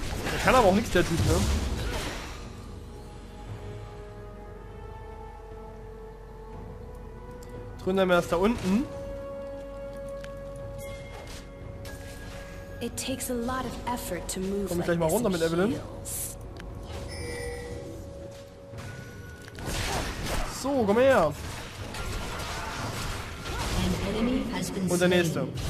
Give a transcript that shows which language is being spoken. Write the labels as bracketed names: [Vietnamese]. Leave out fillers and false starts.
[German] Der kann aber auch nichts, der Typ, ne? Drinnen wir das da unten. [English] It takes a lot of effort to move. [German] Komm ich gleich mal runter mit Evelyn. So, komm her. Und der nächste.